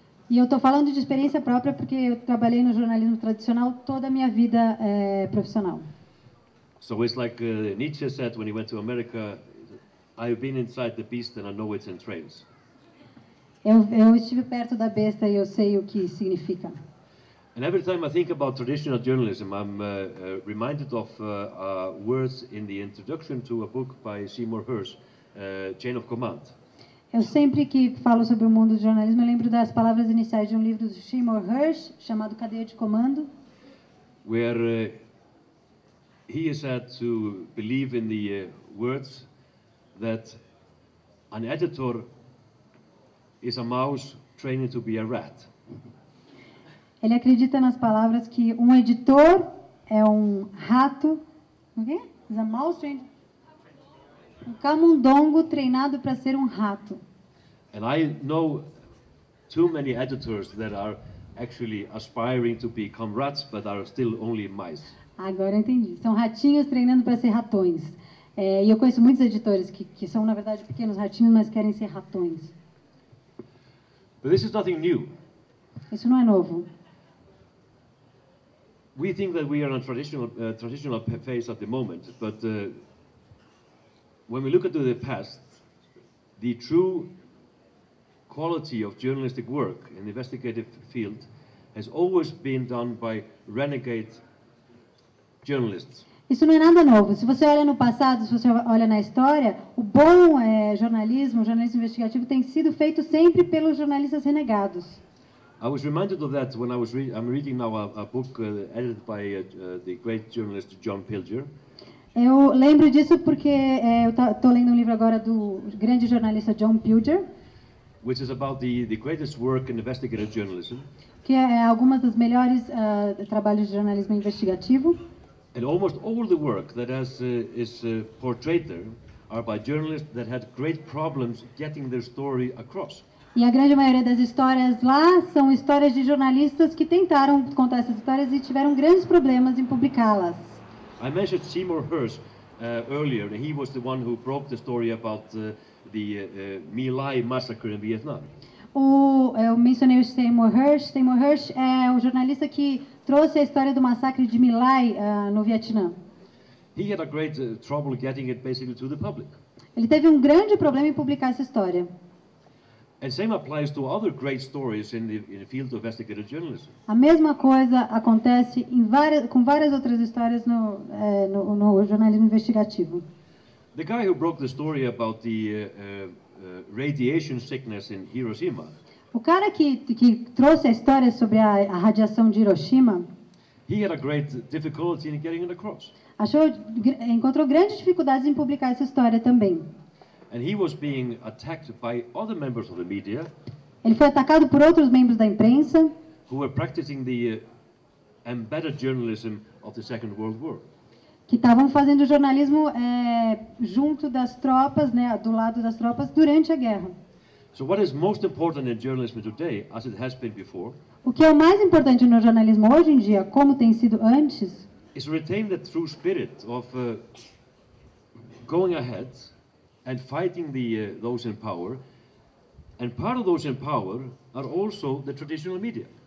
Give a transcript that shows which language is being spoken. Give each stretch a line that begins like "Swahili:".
Portuguese: E eu tô falando de experiência própria porque eu trabalhei no jornalismo tradicional toda a minha vida profissional.
English: So it's like Nietzsche said when he went to America, I've been inside the beast and I know its entrails.
Portuguese: Eu estive perto da besta e eu sei o que significa.
English: And every time I think about traditional journalism, I'm reminded of words in the introduction to a book by Seymour Hersh, Chain of Command.
Portuguese: Eu sempre que falo sobre o mundo do jornalismo, eu lembro das palavras iniciais de livro do Seymour Hersh, chamado Cadeia de Comando.
English: Where he is said to believe in the words that an editor is a mouse training to be a rat.
Portuguese: Ele acredita nas palavras que um editor é um rato, um camundongo treinado para ser um rato.
English: And I know too many editors that are actually aspiring to become rats, but are still only mice.
Portuguese: Agora entendi. São ratinhos treinando para ser ratões. E eu conheço muitos editores que são na verdade pequenos ratinhos, mas querem ser ratões.
English: But this is nothing new.
Portuguese: Isso não é novo.
English: We think that we are in a transitional phase at the moment, but when we look into the past, the true quality of journalistic work in the investigative field has always been done by renegade journalists.
Portuguese: Isso não é nada novo. Se você olha no passado, se você olha na história, o bom jornalismo, o jornalismo investigativo, tem sido feito sempre pelos jornalistas renegados.
English: I was reminded of that when I was reading now a book edited by the great journalist John Pilger.
Portuguese: Eu lembro disso porque eu estou lendo livro agora do grande jornalista John Pilger.
English: Which is about the greatest work in investigative journalism.
Portuguese: Que é algumas das melhores trabalhos de jornalismo investigativo.
English: And almost all the work that is portrayed there are by journalists that had great problems getting their story across.
Portuguese: E a grande maioria das histórias lá são histórias de jornalistas que tentaram contar essas histórias e tiveram grandes problemas em publicá-las.
English: I mentioned Seymour Hirsch earlier, and he was the one who broke the story about the My Lai massacre in Vietnam.
Portuguese: Eu mencionei o Seymour Hirsch. Seymour Hirsch é o jornalista que trouxe a história do massacre de My Lai no Vietnã.
English: He had a great trouble getting it basically to the public.
Portuguese: Ele teve um grande problema em publicar essa história.
English: And same applies to other great stories in the field of investigative journalism.
Portuguese: A mesma coisa acontece com várias outras histórias no jornalismo investigativo.
English: The guy who broke the story about the radiation sickness in Hiroshima.
Portuguese: O cara que trouxe a história sobre a radiação de Hiroshima.
English: He had a great difficulty in getting it across.
Portuguese: Encontrou grandes dificuldades em publicar essa história também.
English: And he was being attacked by other members of the media.
Portuguese: Ele foi atacado por outros membros da imprensa.
English: Who were practicing the embedded journalism of the Second World War.
Portuguese: Que estavam fazendo jornalismo junto das tropas, né, do lado das tropas durante a guerra.
English: So what is most important in journalism today, as it has been before?
Portuguese: O que é o mais importante no jornalismo hoje em dia, como tem sido antes?
English: Is retain the true spirit of going ahead. And fighting those in power, and part of those in power are also the traditional media.